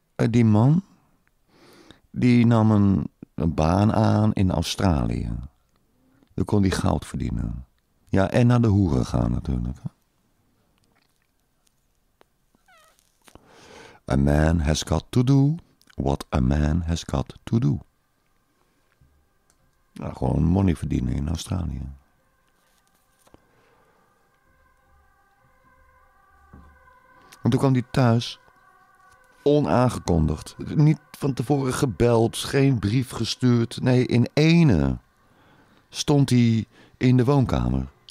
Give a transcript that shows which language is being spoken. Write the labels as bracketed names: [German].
[Dutch] Die man, die nam een baan aan in Australië. Daar kon hij geld verdienen. Ja, en naar de hoeren gaan natuurlijk. [English] A man has got to do what a man has got to do. [Dutch] Nou, gewoon money verdienen in Australië. En toen kwam hij thuis. Onaangekondigd. Niet van tevoren gebeld. Geen brief gestuurd. Nee, in ene stond hij in de woonkamer.